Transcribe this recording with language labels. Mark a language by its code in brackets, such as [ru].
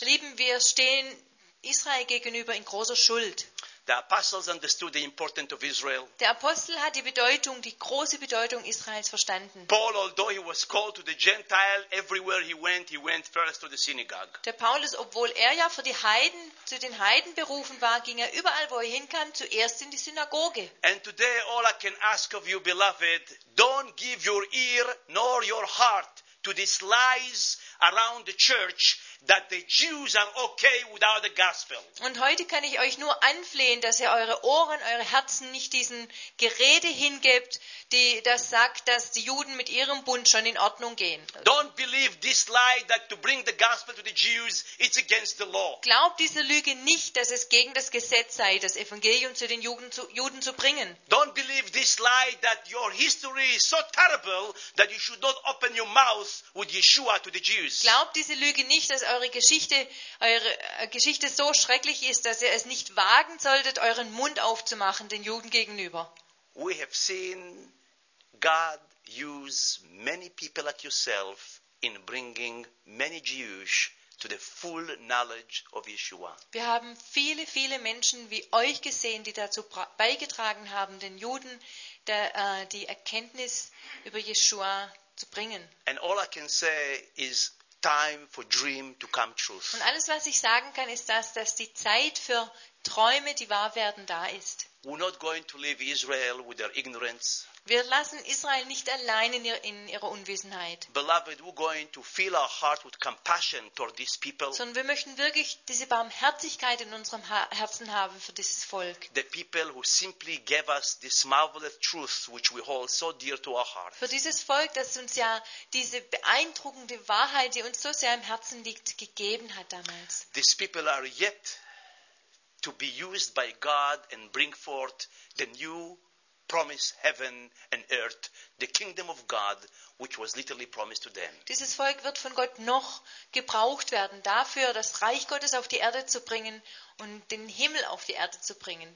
[de] Lieben, wir stehen Israel gegenüber in großer Schuld. [en] The apostles understood the importance of Israel. [de] Der Apostel hat die große Bedeutung Israels verstanden. [en] Paul, although he was called to the Gentile, everywhere he went first to the synagogue. [de] Der Paulus, obwohl er ja für die Heiden, zu den Heiden berufen war, ging er überall, wo er hinkam, zuerst in die Synagoge. [en] And today all I can ask of you, beloved, don't give your ear nor your heart to these lies around the church that the Jews are okay without the gospel. [de] Und heute kann ich euch nur anflehen, dass ihr eure Ohren, eure Herzen nicht diesen Gerede hingebt, die das sagt, dass die Juden mit ihrem Bund schon in Ordnung gehen. [en] Don't believe this lie that to bring the gospel to the Jews, it's against the law. [de] Glaubt diese Lüge nicht, dass es gegen das Gesetz sei, das Evangelium zu den Juden zu bringen. [en] Don't believe this lie that your history is so terrible that you should not open your mouth with Yeshua to the Jews. [de] Glaubt diese Lüge nicht, dass eure Geschichte, so schrecklich ist, dass ihr es nicht wagen solltet, euren Mund aufzumachen den Juden gegenüber. [en] We have seen God use many people like yourself in bringing many Jews to the full knowledge of Yeshua. [de] Wir haben viele, viele Menschen wie euch gesehen, die dazu beigetragen haben, den Juden die Erkenntnis über Yeshua zu bringen. [en] And all I can say is time for dream to come true. [de] Und alles, was ich sagen kann, ist das, dass die Zeit für Träume, die wahr werden, da ist. [en] We're not going to leave Israel with their ignorance. [de] Wir lassen Israel nicht allein in ihrer Unwissenheit. [en] Beloved, we're going to fill our heart with compassion toward these people. [de] Sondern wir möchten wirklich diese Barmherzigkeit in unserem Herzen haben für dieses Volk. [en] The people who simply gave us this marvelous truth, which we hold so dear to our heart. [de] Für dieses Volk, das uns ja diese beeindruckende Wahrheit, die uns so sehr im Herzen liegt, gegeben hat damals. [en] These people are yet to be used by God and bring forth the new promise heaven and earth, the kingdom of God, which was literally promised to them. [de] Dieses Volk wird von Gott noch gebraucht werden dafür, das Reich Gottes auf die Erde zu bringen und den Himmel auf die Erde zu bringen.